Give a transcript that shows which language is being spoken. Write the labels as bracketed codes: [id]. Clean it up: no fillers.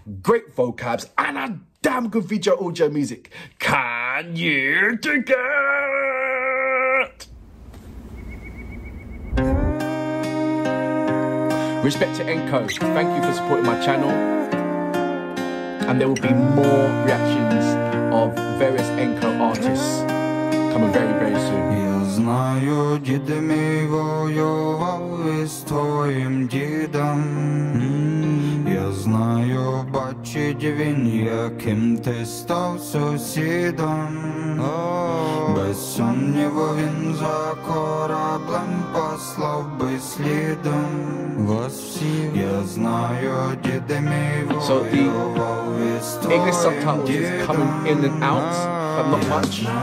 [en] Great vocabs and a damn good video audio music. Can you dig it? Respect to Enko. Thank you for supporting my channel. And there will be more reactions of various Enko artists coming very, very soon. [uk] Я знаю, діди мій воювали з твоїм дідом. Я знаю, бачить він, яким ти став сусідом. Без сумніву він за кораблем послав би слідом вас всіх. Я знаю, діди мій воювали з твоїм дідом. [en] So the English subtitles is coming in and out, but not much.